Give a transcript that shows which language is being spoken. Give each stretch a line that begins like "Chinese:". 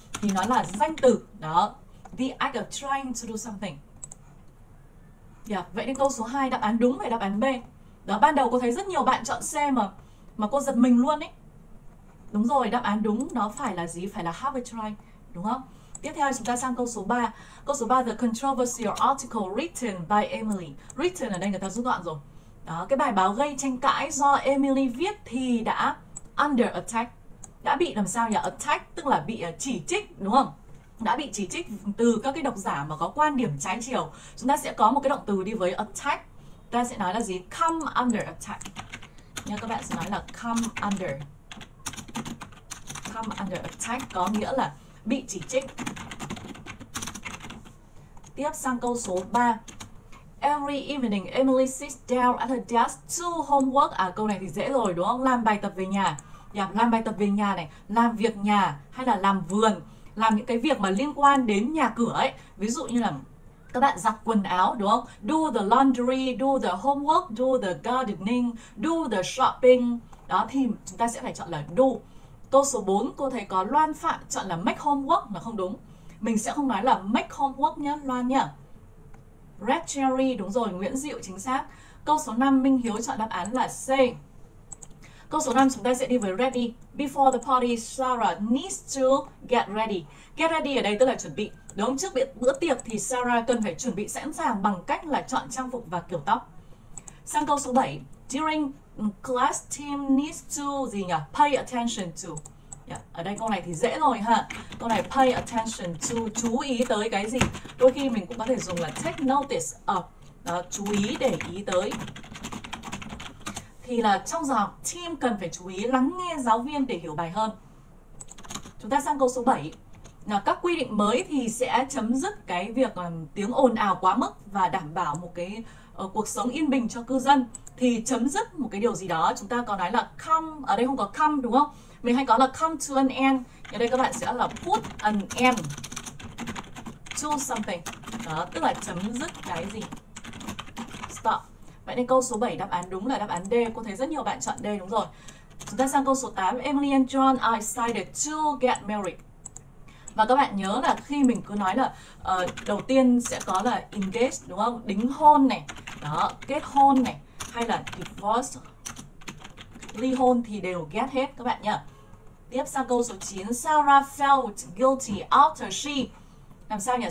Vietnamese: Thì nó là danh từ, đó.
English: The act of trying to do something. Yeah.
Vietnamese: Vậy nên câu số 2 đáp án đúng phải đáp án B. Đó, ban đầu cô thấy rất nhiều bạn chọn C mà cô giật mình luôn ấy. Đúng rồi, đáp án đúng nó phải là gì? Phải là
English: have a try,
Vietnamese: đúng không? Tiếp theo chúng ta sang câu số 3. Câu số 3,
English: the controversial article written by Emily.
Vietnamese: Written ở đây người ta rút gọn rồi. Đó, cái bài báo gây tranh cãi do Emily viết thì đã under attack. Đã bị làm sao nhỉ? Attack tức là bị chỉ trích, đúng không? Đã bị chỉ trích từ các cái độc giả mà có quan điểm trái chiều. Chúng ta sẽ có một cái động từ đi với attack. Ta sẽ nói là gì?
English: Come under attack.
Vietnamese: Nhớ các bạn sẽ nói là come under.
English: Come under attack
Vietnamese: có nghĩa là bị chỉ trích. Tiếp sang câu số 3.
English: Every evening, Emily sits down at her desk to homework.
Vietnamese: À, câu này thì dễ rồi đúng không? Làm bài tập về nhà. Yeah, làm bài tập về nhà này, làm việc nhà hay là làm vườn. Làm những cái việc mà liên quan đến nhà cửa ấy. Ví dụ như là các bạn giặt quần áo đúng không?
English: Do the laundry, do the homework, do the gardening, do the shopping.
Vietnamese: Đó thì chúng ta sẽ phải chọn là do. Câu số 4, cô thấy có Loan Phạm chọn là
English: make homework
Vietnamese: mà không đúng. Mình sẽ không nói là
English: make homework
Vietnamese: nhá, Loan nhá. Red Cherry, đúng rồi, Nguyễn Diệu chính xác. Câu số 5, Minh Hiếu chọn đáp án là C. Câu số 5, chúng ta sẽ đi với ready.
English: Before the party, Sarah needs to get ready.
Vietnamese: Get ready ở đây tức là chuẩn bị. Đúng, trước bữa tiệc thì Sarah cần phải chuẩn bị sẵn sàng bằng cách là chọn trang phục và kiểu tóc. Sang câu số 7,
English: during class, team needs to
Vietnamese: gì nhỉ?
English: Pay attention to.
Vietnamese: Yeah. Ở đây câu này thì dễ rồi ha. Câu này
English: pay attention to,
Vietnamese: chú ý tới cái gì? Đôi khi mình cũng có thể dùng là
English: take notice of.
Vietnamese: Đó, chú ý, để ý tới. Thì là trong giờ học, team cần phải chú ý lắng nghe giáo viên để hiểu bài hơn. Chúng ta sang câu số 7. các quy định mới thì sẽ chấm dứt cái việc tiếng ồn ào quá mức và đảm bảo một cái cuộc sống yên bình cho cư dân, thì chấm dứt một cái điều gì đó. Chúng ta có nói là come, ở đây không có come đúng không? Mình hay có là
English: come to an end.
Vietnamese: Ở đây các bạn sẽ là
English: put an end to something.
Vietnamese: Đó, tức là chấm dứt cái gì. Stop. Vậy nên câu số 7 đáp án đúng là đáp án D. Cô thấy rất nhiều bạn chọn D đúng rồi. Chúng ta sang câu số 8.
English: Emily and John, I decided to get married.
Vietnamese: Và các bạn nhớ là khi mình cứ nói là đầu tiên sẽ có là engage đúng không? Đính hôn này, đó, kết hôn này, hay là divorce, ly hôn thì đều get hết các bạn nhá. Tiếp sang câu số 9.
English: Sarah felt guilty after she.
Vietnamese: Làm sao nhỉ?